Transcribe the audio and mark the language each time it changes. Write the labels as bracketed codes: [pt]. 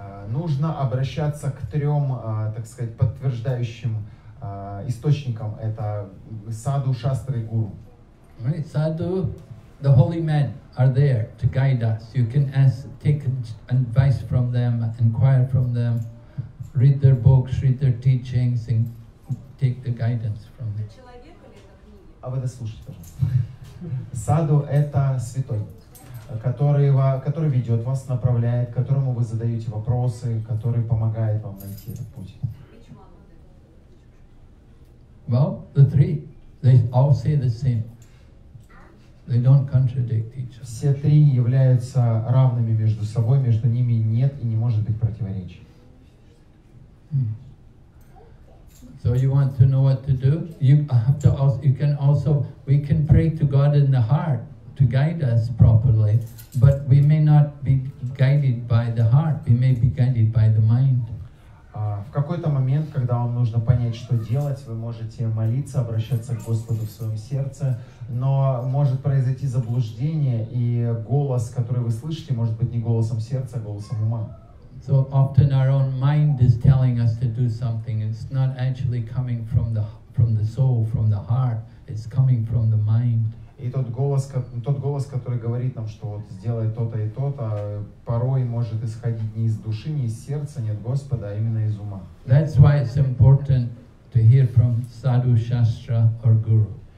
[ru] Нужно обращаться к трем, так сказать, подтверждающим источникам. Это sadhu, shastra, и guru. [en] Right, sadhu, the holy men are there to guide us. You can ask, take advice from them, inquire from them, read their books, read their teachings, and take the guidance from them. [ru] А вы дослушайте, пожалуйста. Саду – это святой. который ведет вас, направляет, которому вы задаете вопросы, который помогает вам найти этот путь. [en] Well, the three, they all say the same. They don't contradict each other. [ru] Все три являются равными между собой, между ними нет и не может быть противоречий. [en] So you want to know what to do? You have to also, you can also, we can pray to God in the heart to guide us properly, but we may not be guided by the heart, we may be guided by the mind. [ru] В какой-то момент, когда вам нужно понять, что делать, вы можете молиться, обращаться к Господу в своем сердце, но может произойти заблуждение, и голос, который вы слышите, может быть не голосом сердца, а голосом ума. [en] So often our own mind is telling us to do something. It's not actually coming from the soul, from the heart. It's coming from the mind. [ru] И тот голос, который говорит нам, что вот сделай то-то и то-то, порой может исходить не из души, не из сердца, не от Господа, а именно из ума. [en] That's why it's important to hear from sadhu, shastra or guru.